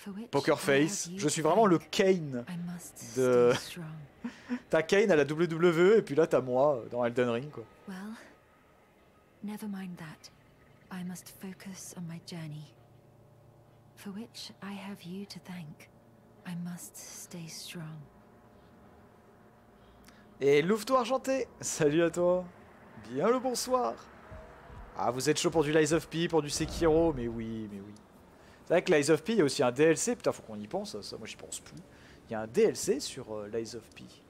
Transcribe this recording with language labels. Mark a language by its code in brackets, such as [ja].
[fr] Poker face. Je suis vraiment le Kane de. T'as Kane à la WWE et puis là t'as moi dans Elden Ring quoi. [en] Well, never mind that. I must focus on my journey. For which I have you to thank. I must stay strong. [fr] Et Louveto Argenté, salut à toi. Bien le bonsoir. Ah, vous êtes chaud pour du Lies of P, pour du Sekiro, mais oui, mais oui. C'est vrai que Lies of P, il y a aussi un DLC. Putain, faut qu'on y pense, ça, moi j'y pense plus. Il y a un DLC sur Lies of P.